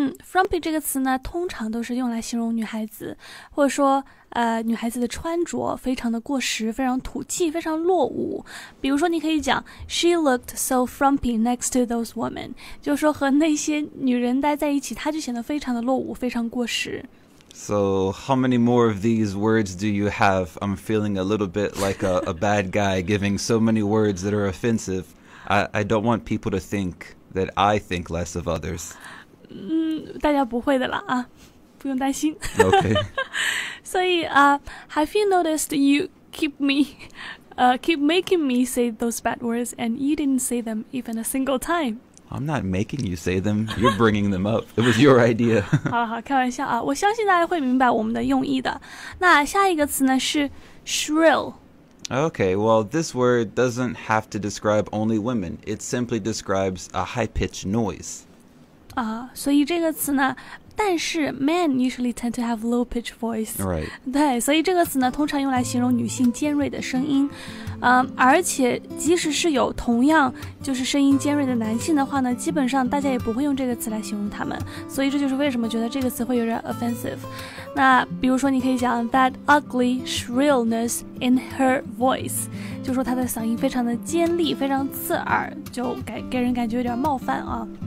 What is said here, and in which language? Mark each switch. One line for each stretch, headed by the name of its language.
Chinese: Frumpy 这个词呢通常都是用来形容女孩子或者说女孩子的穿着非常的过时非常土气非常落伍比如说你可以讲
English: She looked so frumpy next to those women
Chinese: 就是说和那些女人待在一起她就显得非常的落伍非常过时
English: So how many more of these words do you have? I'm feeling a little bit like a bad guy giving so many words that are offensive I don't want people to think that I think less of others
Chinese: 大家不会的啦啊，不用担心。
English: Okay.
Chinese: 所以啊、，
English: Have you noticed you keep me, keep making me say those bad words, and you didn't say them even a single time? I'm not making you say them. You're bringing them up. It was your idea.
Chinese: 好，开玩笑啊！我相信大家会明白我们的用意的。那下一个词呢是 shrill。
English: Okay, well, this word doesn't have to describe only women. It simply describes a high-pitched noise.
Chinese: 所以这个词呢但是
English: men usually tend to have low pitch voice Right
Chinese: 对所以这个词呢通常用来形容女性尖锐的声音而且即使是有同样就是声音尖锐的男性的话呢基本上大家也不会用这个词来形容他们所以这就是为什么觉得这个词会有点 offensive 那比如说你可以讲
English: That ugly shrillness in her voice
Chinese: 就说她的嗓音非常的尖利非常刺耳就 给人感觉有点冒犯啊